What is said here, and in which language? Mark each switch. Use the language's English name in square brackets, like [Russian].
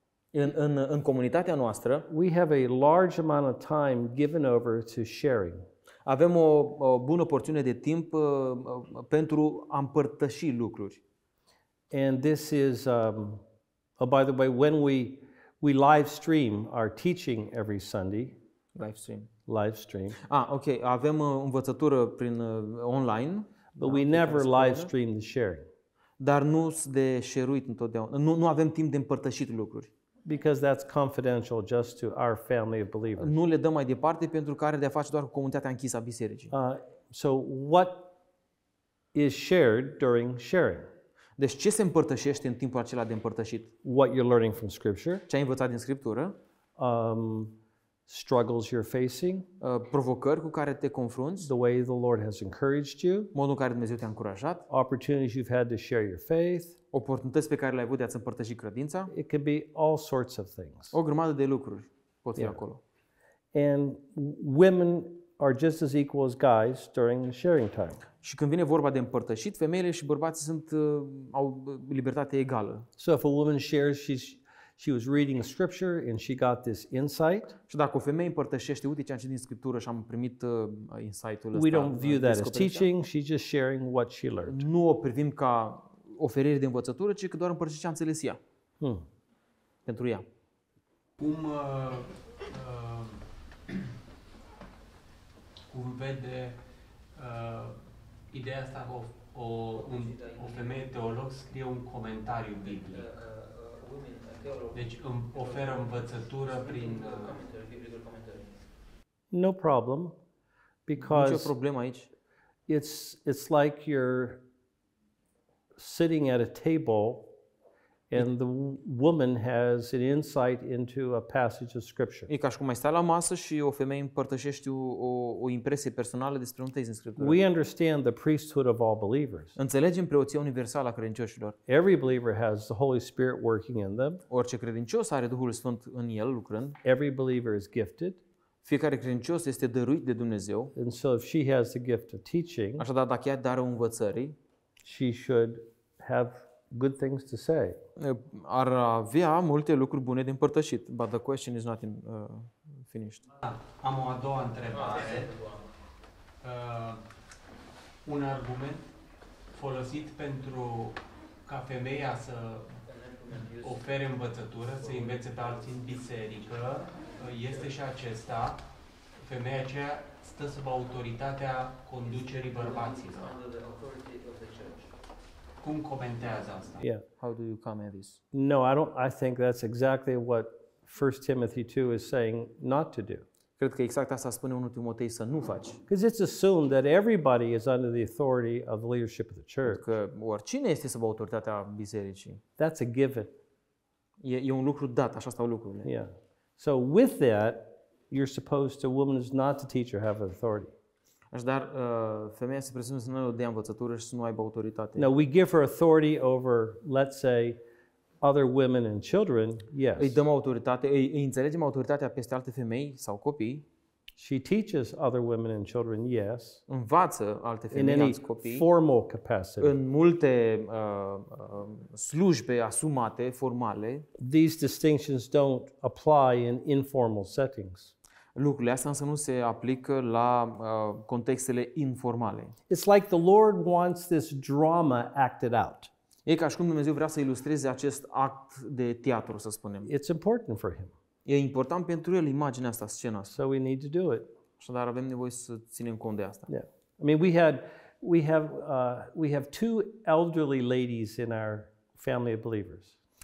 [Romanian] in comunitatea noastră, [English] we have a large amount of time given over to sharing. [Romanian] Avem o bună porțiune de timp pentru a împărtăși lucruri. [English] And this is, by the way, when we live stream our teaching every Sunday. Live stream. Ah, okay. [Romanian] Avem învățătură prin online. [English] But we never live stream the sharing. [Romanian] Dar nu de share-uit întotdeauna. Nu avem timp de împărtășit lucruri. [English] Because that's confidential just to our family of believers. [Romanian] Nu le dăm mai departe pentru că are de-a face doar cu comunitatea închisă a bisericii. [English] So what is shared during sharing? [Romanian] Deci ce se împărtășește în timpul acela de împărtășit? [English] What you're learning from scripture? [Romanian] Ce ai învățat din scriptură? [English] Struggles you're facing, [Romanian] provocări cu care te confrunți, [English] the way the Lord has encouraged you, [Romanian] modul în care Dumnezeu te-a încurajat, [English] opportunities you've had to share your faith, [Romanian] oportunități pe care le-ai avut de a-ți împărtăși credința. [English] It can be all sorts of things. [Romanian] O grămadă de lucruri pot fi acolo. [English] And women are just as equal as guys during the sharing time. [Romanian] Și când vine vorba de împărtășit, femeile și bărbații sunt au libertate egală. [English] So if a woman shares, she was reading scripture and she got this insight. [Romanian] Și dacă o femeie împărtășește, uite ce am citit din scriptură și am primit insight-ul ăsta. [English] We don't view that as teaching, she's just sharing what she learned. [Romanian] Nu o privim ca oferire de învățătură, ci că doar împărtășește ce a înțeles ea. Hmm. Pentru ea. Cum cum vede ideea asta că o femeie teolog scrie un comentariu biblic? Deci oferă învățătură prin [English] No problem, because [Romanian] nicio problemă aici. [English] It's like you're sitting at a table And the woman has an insight into a passage of scripture. [Romanian] E ca și cum mai stai la masă și o femeie împărtășește o impresie personală despre un text din scriptură. [English] We understand the priesthood of all believers. [Romanian] Înțelegem preoția universală a credincioșilor. [English] Every believer has the Holy Spirit working in them. [Romanian] Orice credincios are Duhul Sfânt în el lucrând. [English] Every believer is gifted. [Romanian] Fiecare credincios este dăruit de Dumnezeu. [English] And so if she has the gift of teaching, [Romanian] așadar dacă ea are darul învățării, [English] she should have good things to say. [Romanian] Ar avea multe lucruri bune de împărtășit. [English] But the question is not finished. [Romanian] Am o a doua întrebare. Un argument folosit pentru ca femeia să ofere învățătură, să învețe pe alții în biserică, este și acesta. Femeia aceea stă sub autoritatea conducerii bărbaților. Cum comentează asta? [English] Yeah. How do you comment this? No, I think that's exactly what 1 Timothy 2 is saying not to do. [Romanian] Cred că exact asta spune 1 Timotei să nu faci. [English] Because it's assumed that everybody is under the authority of the leadership of the church. [Romanian] Că oricine este sub autoritatea bisericii. [English] That's a given. [Romanian] E un lucru dat, așa stau lucrurile. [English] Yeah. So with that, you're supposed to, a woman is not to teach or have authority. [Romanian] Așadar, femeia se presupune să nu o dea învățătură și să nu aibă autoritate. [English] Now we give her authority over, let's say, other women and children. Yes. [Romanian] Îi dăm autoritate, îi înțelegem autoritatea peste alte femei sau copii. [English] She teaches other women and children. Yes. [Romanian] Învață alte femei și copii. [English] In any formal capacity. [Romanian] În multe slujbe asumate formale. [English] These distinctions don't apply in informal settings. [Romanian] Lucrurile astea însă nu se aplică la contextele informale. [English] It's like the Lord wants this drama acted out. [Romanian] E ca și cum Dumnezeu vrea să ilustreze acest act de teatru, să spunem. [English] It's important for him. [Romanian] E important pentru el imaginea asta, scena. [English] So we need to do it. [Romanian] Așadar avem nevoie să ținem cont de asta. [English] Yeah. I mean we have two elderly ladies in our family of believers.